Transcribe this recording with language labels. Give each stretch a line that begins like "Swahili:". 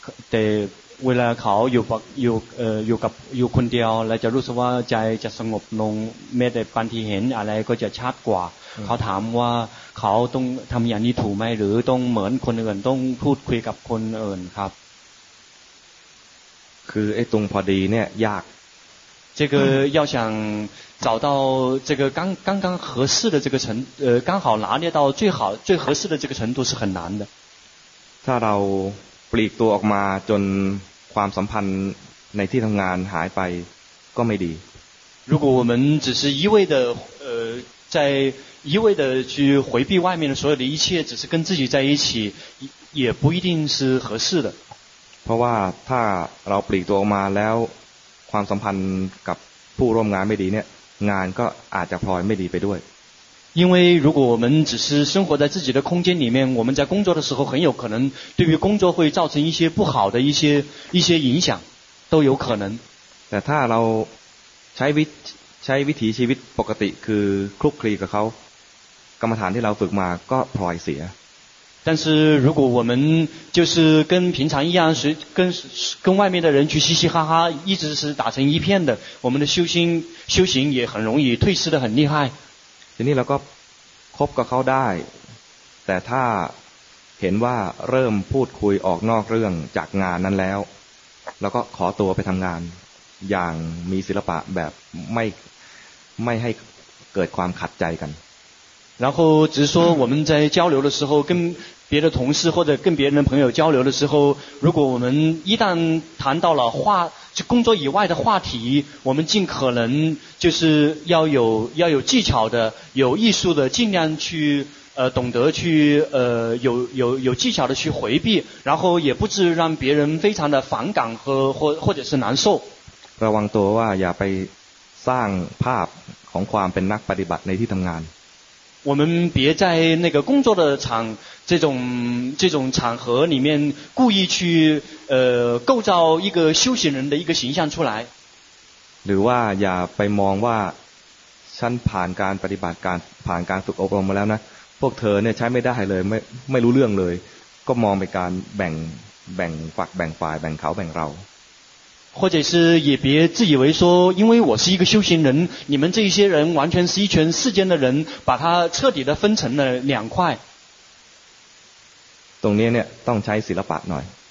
Thai: แต่เวลาเขาอยู่กับคนเดียวแล้วจะรู้สึกว่าใจจะสงบลงไม่ได้บางทีเห็นอะไรก็จะชัดกว่าเขาถามว่าเขาต้องทำอย่างนี้ถูกไหมหรือต้องเหมือนคนอื่นต้องพูดคุยกับคนอื่นครับ คือไอ้ตรงพอดีเนี่ยยาก
Chinese: 这个要想找到这个刚刚合适的这个程度，刚好拿捏到最好最合适的这个程度是很难的。
Thai: ถ้าเราปลีกตัวออกมาจนความสัมพันธ์ในที่ทำงานหายไปก็ไม่ดี。
Chinese: 如果我们只是一味的在一味的去回避外面的所有的一切，只是跟自己在一起，也不一定是合适的。
Thai: เพราะว่าถ้าเราปลีกตัวออกมาแล้วความสัมพันธ์กับผู้ร่วมงานไม่ดีเนี่ยงานก็อาจจะพลอยไม่ดีไปด้วย
Chinese: 因为如果我们只是生活在自己的空间里面，我们在工作的时候很有可能对于工作会造成一些不好的一些影响，都有可能。
Thai: แต่ถ้าเราใช้วิถีชีวิตปกติคือคลุกคลีกับเขากรรมฐานที่เราฝึกมาก็พลอยเสีย
Chinese: 但是如果我们就是跟平常一样是跟外面的人去嘻嘻哈哈，一直是打成一片的，我们的修行也很容易退失的很厉害。
Thai: ทีนี้เราก็คบกับเขาได้แต่ถ้าเห็นว่าเริ่มพูดคุยออกนอกเรื่องจากงานนั้นแล้วเราก็ขอตัวไปทำงานอย่างมีศิลปะแบบไม่ให้เกิดความขัดใจกัน
Chinese: 然后只是说我们在交流的时候跟别的同事或者跟别人的朋友交流的时候如果我们一旦谈到了话就工作以外的话题我们尽可能就是要有技巧的有艺术的尽量去懂得去有技巧的去回避然后也不至让别人非常的反感和或者是难受
Thai: ระวังตัวว่าอย่าไปสร้างภาพของความเป็นนักปฏิบัติในที่ทำงาน
Chinese: 我们别在那个工作的场这种场合里面故意去构造一个修行人的一个形象出来
Thai: หรือว่าอย่าไปมองว่าฉันผ่านการปฏิบัติการผ่านการฝึกอบรมมาแล้วนะพวกเธอเนี่ยใช้ไม่ได้เลยไม่รู้เรื่องเลยก็มองไปการแบ่งฝักแบ่งฝ่ายแบ่งเขาแบ่งเรา
Chinese: 或者是也别自以为说因为我是一个修行人你们这些人完全是一群世间的人把它彻底的分成了两块
Thai: ตรงนี้เนี่ยต้องใช้ศิลปะหน่อย